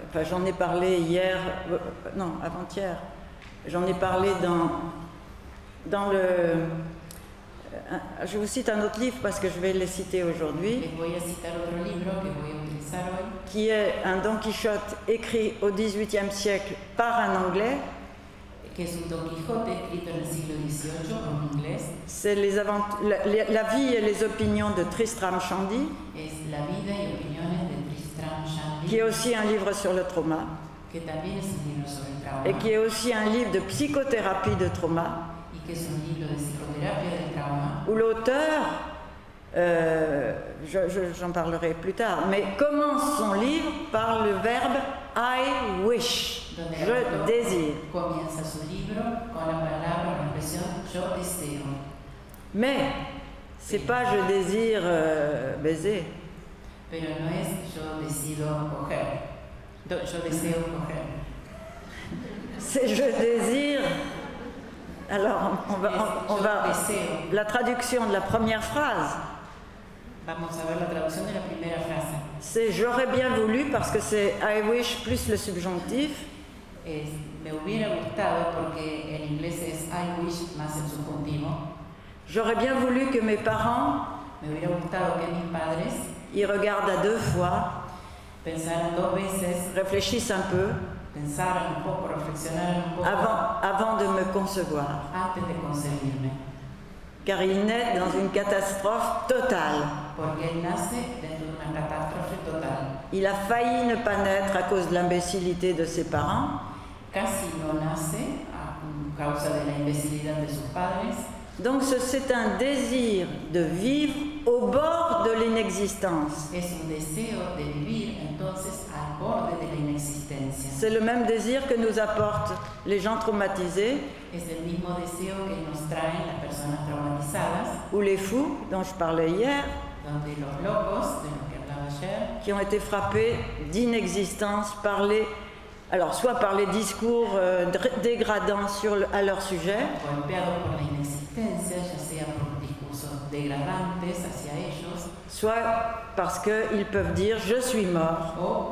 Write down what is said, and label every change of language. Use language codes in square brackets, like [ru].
[fr] J'en ai parlé hier, non, avant-hier. J'en ai parlé dans le. Je vous cite un autre livre parce que je vais les citer aujourd'hui. [es] Les voy a citar otro libro que voy a utilizar hoy. [fr] Qui est un Don Quichotte écrit au XVIIIe siècle par un Anglais. [es] Que es un Don Quijote escrito en el siglo XVIII por un inglés. [fr] C'est la vie et les opinions de Tristram Shandy. [es] Es la vida y opiniones de Tristram Shandy. [fr] Qui est aussi un livre sur le trauma. [es] Que también es un libro sobre el trauma. [fr] Et qui est aussi un livre de psychothérapie de trauma. [es] Y que es un libro de psicoterapia de trauma. [fr] Où l'auteur, j'en parlerai plus tard, mais commence son livre par le verbe [en] I wish. [fr] Je désire. [es] Comienza su libro con la palabra, la expresión yo deseo. [fr] Mais C'est pas je désire baiser. [es] Pero no es yo decido coger. Yo deseo coger. [fr] C'est je désire. Alors, on va la traduction de la première phrase. [es] Vamos a ver la traducción de la primera frase. [fr] C'est j'aurais bien voulu parce que c'est [en] I wish [fr] plus le subjonctif. [es] Es, me hubiera gustado porque en inglés es [en] I wish [es] más el subjuntivo. [fr] J'aurais bien voulu que mes parents. [es] Me hubiera gustado que mis padres. [fr] Y regardent à deux fois. [es] Pensaron dos veces. [fr] Réfléchissent un peu. [es] Pensar un poco, reflexionar un poco. [fr] Avant de me concevoir. [es] Antes de concebirme. [fr] Car il naît dans une catastrophe totale. [es] Porque él nace dentro de una catástrofe total. [fr] Il a failli ne pas naître à cause de l'imbécilité de ses parents. [es] Casi no nace a causa de la imbecilidad de sus padres. [fr] Donc c'est un désir de vivre au bord de l'inexistence. [es] Es un deseo de vivir entonces al borde de la inexistencia. [fr] C'est le même désir que nous apportent les gens traumatisés. [es] Es el mismo deseo que nos traen las personas traumatizadas. [fr] Ou les fous dont je parlais hier. [es] Donde los locos de los que hablaba ayer. [fr] Qui ont été frappés d'inexistence par les alors soit par les discours dégradants sur le, à leur sujet. [es] Golpeado por la inexistencia, ya sea por degradantes hacia ellos, [fr] soit parce qu'ils peuvent dire je suis mort,